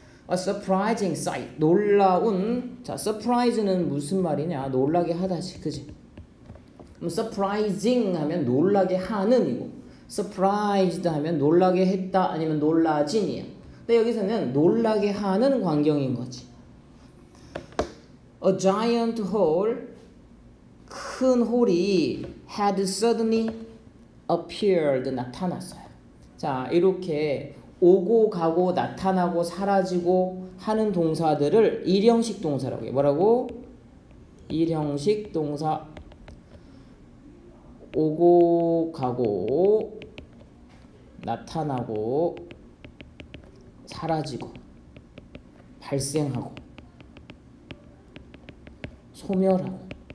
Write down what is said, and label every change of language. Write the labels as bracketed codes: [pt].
[en] A surprising sight. 놀라운. [ko] 자, surprise는 무슨 말이냐? 놀라게 하다지. 그지? Surprising 하면 놀라게 하는이고, surprised 하면 놀라게 했다 아니면 놀라진이야. 근데 여기서는 놀라게 하는 광경인 거지. [en] A giant hole, [ko] 큰 홀이 [en] had suddenly appeared, [ko] 나타났어요. 자, 이렇게 오고 가고 나타나고 사라지고 하는 동사들을 일형식 동사라고 해요. 뭐라고? 일형식 동사. 오고 가고 나타나고 사라지고 발생하고 소멸하고.